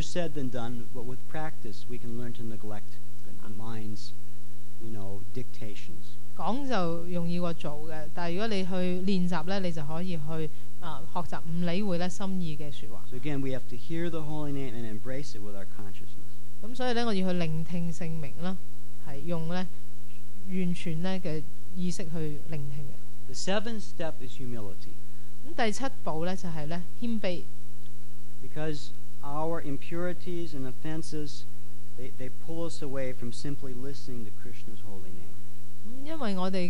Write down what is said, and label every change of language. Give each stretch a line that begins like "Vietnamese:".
English: said than done, but with practice, we can learn to neglect the mind's, you know, dictations.
Chinese: 讲就容易过做的,但如果你去练习,你就可以去学习不理会心意的说话。
English: So again, we have to hear the Holy Name and embrace it with our consciousness.
Chinese: 所以我要去聆听圣名,是用完全的意识去聆听的。
English: The seventh step is humility.
Chinese: 第七步就是谦卑。
English: Because our impurities and offenses, they pull us away from simply listening to Krishna's holy name.